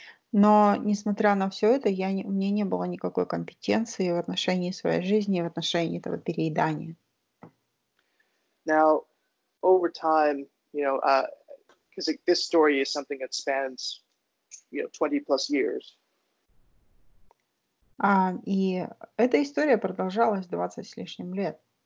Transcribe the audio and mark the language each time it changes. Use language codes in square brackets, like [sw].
[ru] Но, несмотря на все это, у меня не было никакой компетенции в отношении своей жизни, в отношении этого переедания. [en] Now, over time, you know, because this story is something that spans, you know, 20 plus years. [ru] И эта история продолжалась 20 с лишним лет.